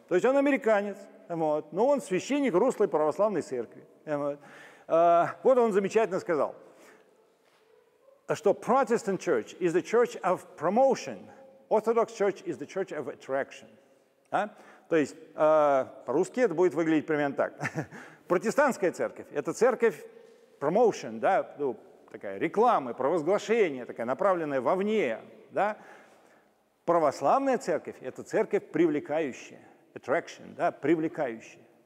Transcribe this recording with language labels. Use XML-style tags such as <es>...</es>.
<ru>То есть он американец, вот, но он священник русской православной церкви. Вот. Вот он замечательно сказал, что</ru> <en>Protestant church is the church of promotion, Orthodox church is the church of attraction.</en> <ru>А? То есть по-русски это будет выглядеть примерно так. Протестантская церковь – это церковь promotion, да, ну, такая реклама, провозглашение, такая направленная вовне. Да. Православная церковь – это церковь привлекающая, attraction, да, привлекающая.</ru>